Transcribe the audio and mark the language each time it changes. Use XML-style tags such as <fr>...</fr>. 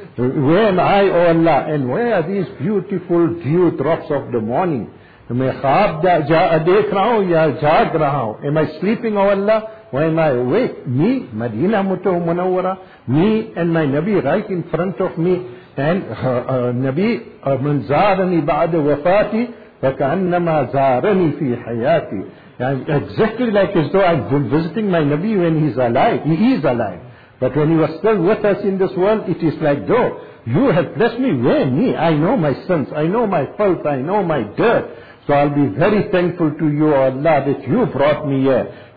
<en>Where am I, O Allah? And where are these beautiful dew drops of the morning? Am I sleeping, O Allah? Or am I awake? Me, Madina Mutawwara Munawwara. Me and my Nabi right in front of me.</en> <ar>And Nabi, من زارني بعد وفاتي فكأنما زارني في حياتي.</ar> <en>Exactly like as though I've been visiting my Nabi when he's alive. He is alive. But when you are still with us in this world, it is like, though, you have blessed me, where me? I know my sins, I know my fault, I know my dirt. So I'll be very thankful to you, O Allah, that you brought me here.</en>